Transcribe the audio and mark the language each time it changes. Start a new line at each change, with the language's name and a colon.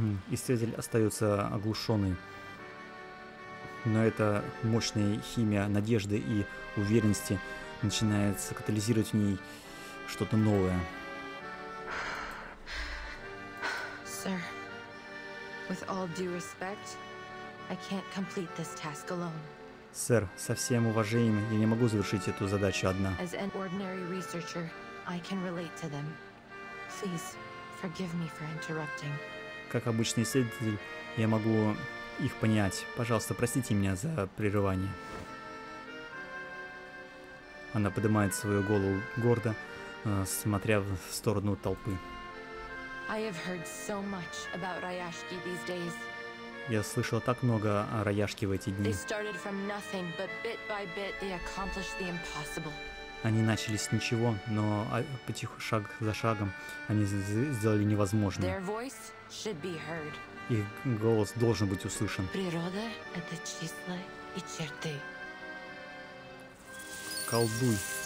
Russian: Исследователь остается оглушенный. Но эта мощная химия надежды и уверенности начинает катализировать в ней что-то новое.
English: Sir, with all due respect, I can't complete this task alone.
Russian: Сэр, со всем уважением, я не могу завершить эту задачу одна.
English: As an ordinary researcher, I can relate to them. Please forgive me for interrupting.
Russian: Как обычный исследователь, я могу их понять. Пожалуйста, простите меня за прерывание. Она поднимает свою голову гордо, смотря в сторону толпы.
English: I have heard so much about Rayashki these days.
Russian: Я слышала так много о Раяшке в эти дни.
English: They started from nothing, but bit by bit they accomplished the impossible.
Russian: Они начали с ничего, но потихо, шаг за шагом, они сделали невозможное.
English: Their voice should be heard.
Russian: Их голос должен быть услышан. Природа — это числа и черты. Колдуй.